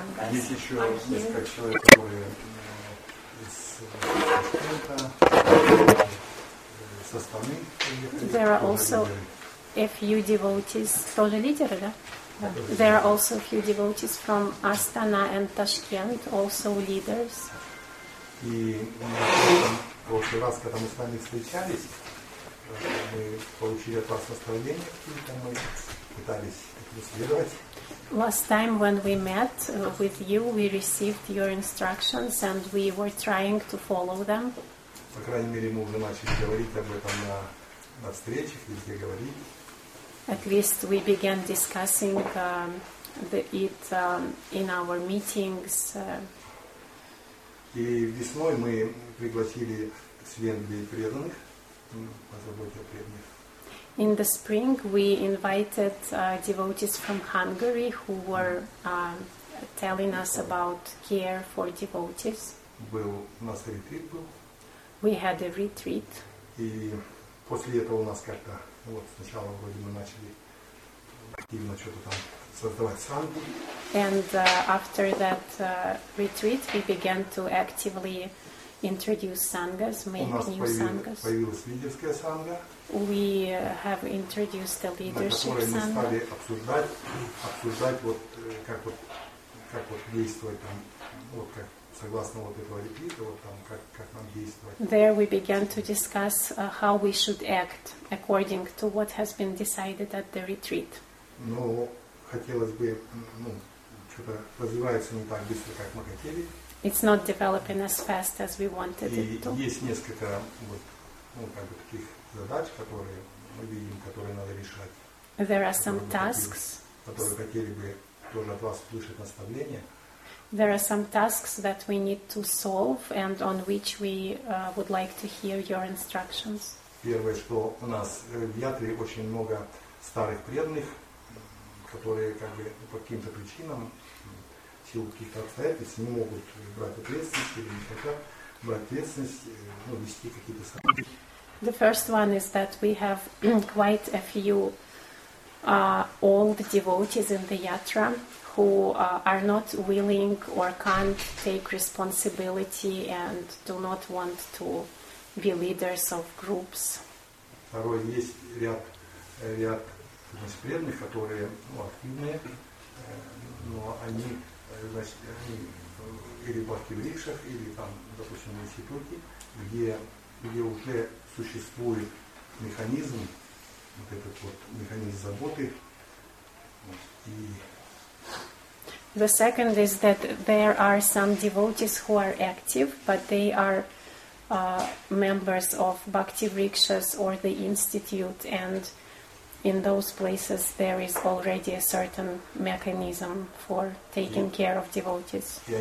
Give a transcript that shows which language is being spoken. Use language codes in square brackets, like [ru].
[ru] Есть еще несколько человек, которые из Ташкента, из Астаны. [en] There are also a few devotees, [ru] тоже лидеры, да? [en] There are also a few devotees from Astana and Tashkent, also leaders. [ru] И после вас, когда мы с вами встречались, мы получили от вас наставления, какие-то мы пытались исследовать. [en] Last time when we met with you, we received your instructions and we were trying to follow them. [ru] По крайней мере, мы уже начали говорить об этом на встречах, везде говорили. [en] At least we began discussing in our meetings. [ru] И весной мы пригласили Свенби преданных, по заботе о преданных. [en] In the spring we invited devotees from Hungary who were telling us about care for devotees. [ru] Был, у нас ретрит был. [en] We had a retreat. [ru] И после этого у нас как-то вот сначала вроде мы начали активно что-то там создавать сангу. [en] And after that retreat we began to actively introduce sanghas, make new sanghas. [ru] Появилась лидерская санга. [en] We have introduced the leadership sangha. [ru] Мы стали обсуждать вот как вот действовать там вот как. Согласно вот этого ретрита, вот там как нам действовать. [en] There we began to discuss how we should act according to what has been decided at the retreat. [ru] Но хотелось бы, что-то развивается не так быстро, как мы хотели. [en] It's not developing as fast as we wanted it to. [ru] И есть несколько вот таких задач, которые мы видим, которые надо решать. [en] There are some tasks, [ru] которые хотели бы тоже от вас услышать наставления. [en] There are some tasks that we need to solve and on which we would like to hear your instructions. [ru] Первое, что у нас в Ятре очень много старых преданных, которые по каким-то причинам, в силу каких-то обстоятельств, не могут брать ответственность или не хотят брать ответственность, вести какие-то сомнения. [en] The first one is that we have quite a few old devotees in the Yatra who are not willing or can't take responsibility and do not want to be leaders of groups. [ru] Второе, есть ряд преданных, которые активные, но они, они или в архивлишах, или там, допустим, в институте, где уже существует механизм, вот этот вот механизм заботы, и [en] the second is that there are some devotees who are active, but they are members of bhakti rikshas or the institute, and in those places there is already a certain mechanism for taking care of devotees.